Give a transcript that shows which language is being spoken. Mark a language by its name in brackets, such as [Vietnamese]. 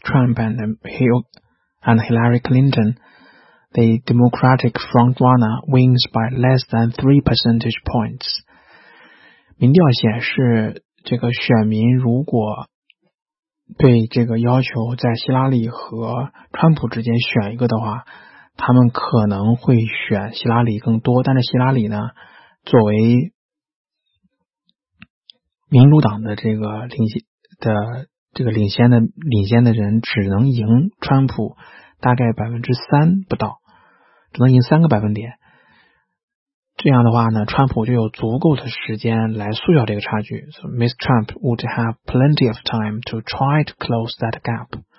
[English] Trump and Hillary Clinton, the Democratic frontrunner wins by less than 3 percentage points. [Chinese] 民调显示，这个选民如果对这个要求在希拉里和川普之间选一个的话，他们可能会选希拉里更多，但是希拉里呢，作为民主党的领先的人只能赢川普大概3%不到，只能赢3个百分点。这样的话呢，川普就有足够的时间来缩小这个差距。 [English] So, Ms. Trump would have plenty of time to try to close that gap.